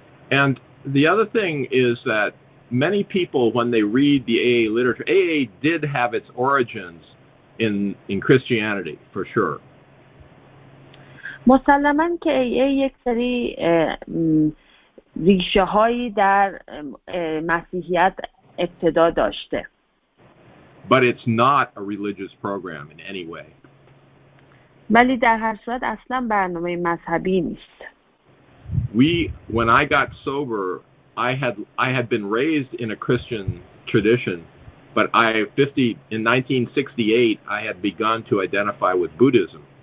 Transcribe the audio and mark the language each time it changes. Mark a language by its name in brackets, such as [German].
[English] And the other thing is that many people when they read the AA literature, AA did have its origins in Christianity for sure. [Persian] مسلماً که AA یک سری ریشه هایی در مسیحیت ابتدا داشته. [English] But it's not a religious program in any way. [Persian] ولی در هر صورت اصلا برنامه مذهبی نیست. [English] When I got sober, I had been raised in a Christian tradition, but in 1968 I had begun to identify with Buddhism.